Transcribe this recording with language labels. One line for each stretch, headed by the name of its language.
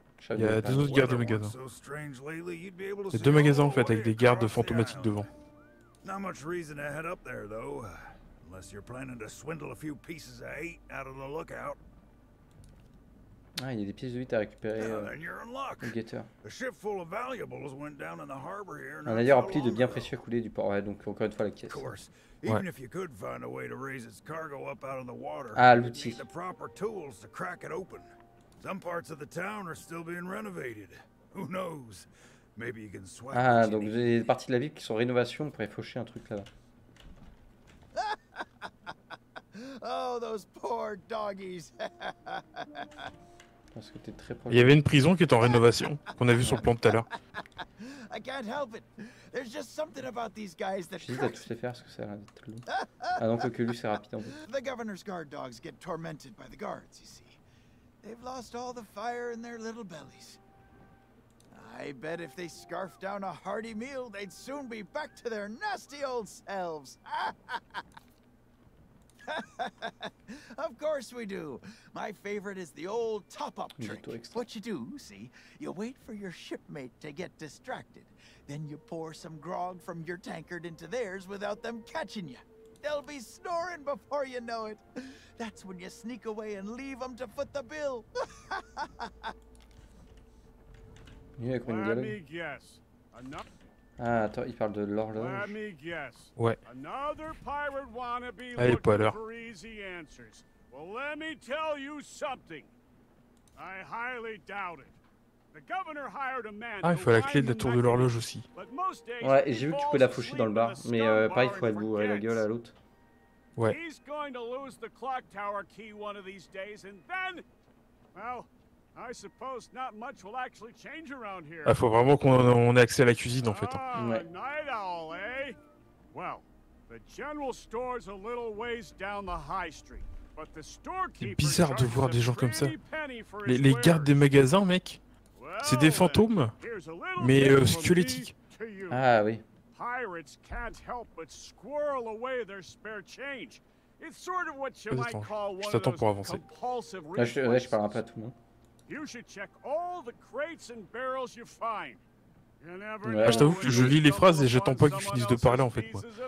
French: Il y a deux autres gardes du magasin. Il y a deux magasins en fait avec des gardes fantomatiques devant.
English: Not much reason to head up there though, unless you're planning to swindle a few pieces of eight out of the lookout.
French: Ah, il y a des pièces de 8 à récupérer.
English: A ship full of valuables went down in the harbor here.
French: Un navire rempli de biens précieux coulé du port. Ouais, donc encore une fois la caisse.
English: Even if you could find a way to raise its cargo up out of the water.
French: Ah, l'outil.
English: The proper tools to crack it open. Some parts of the town are still being renovated. Who knows? Maybe you can swap.
French: Ah, donc j'ai des parties de la ville qui sont rénovation pour effaucher un truc là-bas.
English: Oh, those poor doggies.
French: Parce que t'es très proche. Il y avait une prison qui est en rénovation qu'on a vu sur le plan tout à l'heure.
English: I can't help it. There's just something about these guys that.
French: J'hésite à tous les faire parce que ça a l'air d'être long. Ah non, que lui c'est rapide en fait.
English: The governor's guard dogs get tormented by the guards, you see. They've lost all the fire in their little bellies. I bet if they scarfed down a hearty meal, they'd soon be back to their nasty old selves. Of course we do. My favorite is the old top-up trick. What you do, see, you wait for your shipmate to get distracted. Then you pour some grog from your tankard into theirs without them catching you. They'll be snoring before you know it. That's when you sneak away and leave them to foot the bill. Let me guess.
French: Ah, attends, il parle de l'horloge. Ouais.
English: Another pirate wannabe looking for easy answers. Well, let me tell you something. I highly doubt it. The governor hired a man.
French: Ah, il faut la clé de la tour de l'horloge aussi. Ouais, et j'ai vu que tu peux la faucher dans le bar, mais pareil, il faut être bourré la gueule à l'autre. Ouais.
English: He's going to lose the clock tower key one of these days, and then, well. I suppose not much will actually change around here.
French: Ah, faut vraiment qu'on ait accès à la cuisine en fait. Hein.
English: Ouais. Night owl, eh? Well, the general store's a little ways down the high street, but the storekeeper.
French: C'est bizarre de voir des gens comme ça. Les gardes des magasins, mec. C'est des fantômes, mais squelettiques. Ah oui.
English: Pirates can't help but squirrel away their spare change. It's sort of what you might call one of those compulsive reflexes.
French: Là, je parle un peu à tout le monde.
English: You should check all the crates and barrels you find. You never know.
French: Je t'avoue que je lis les phrases et j'attends pas qu'ils finissent de parler en fait moi.